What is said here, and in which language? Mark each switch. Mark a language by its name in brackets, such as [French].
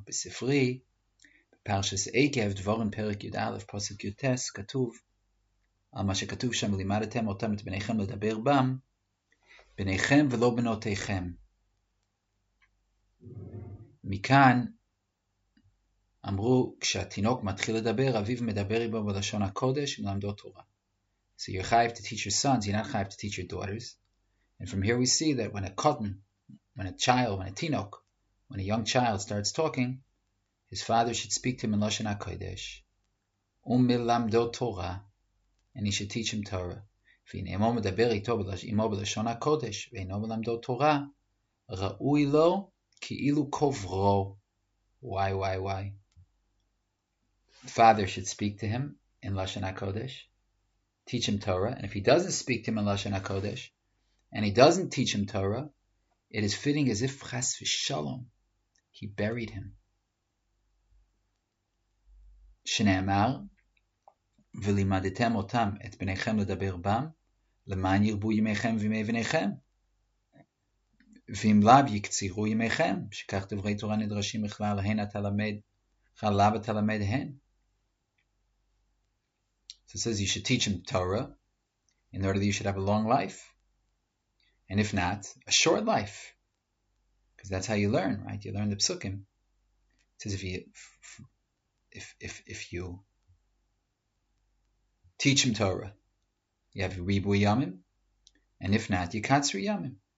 [Hebrew] בספרי פרשס עקב דבורן פרק י"א פסוק י"ט כתוב על מה שכתוב שם לימדתם אותם את בניכם לדבר בם בניכם ולא בנותיכם. מכאן אמרו כשהתינוק מתחיל לדבר אביו מדבר בו בלשון הקודש מלמדו תורה. [English] So you have to teach your sons, you're not have to teach your daughters. And from here we see that when a cotton, when a child, when a tinok, when a young child starts talking, his father should speak to him in Lashon HaKodesh, [Hebrew] ומלמדו תורה, [English] and he should teach him Torah. [Hebrew] והנה אמו מדבר איתו אמו בלשון הקודש, ואינו מלמדו תורה, ראוי לו כאילו קוברו. [English] Why, why, why? Father should speak to him in Lashon HaKodesh, teach him Torah, and if he doesn't speak to him in Lashon HaKodesh, and he doesn't teach him Torah, it is fitting as if chas v'shalom, he buried him. [Hebrew] שנאמר, ולימדתם אותם את בניכם לדבר בם, למען ירבו ימיכם וימי בניכם, ואם לאו יקצירו ימיכם, שכך דברי תורה נדרשים בכלל, הן אתה למד, חלב אתה למד הן. [English] So it says you should teach him Torah, in order that you should have a long life, and if not, a short life, because that's how you learn, right? You learn the psukim. It says if you teach him Torah, you have ribu yamim, and if not, you katsri yamim.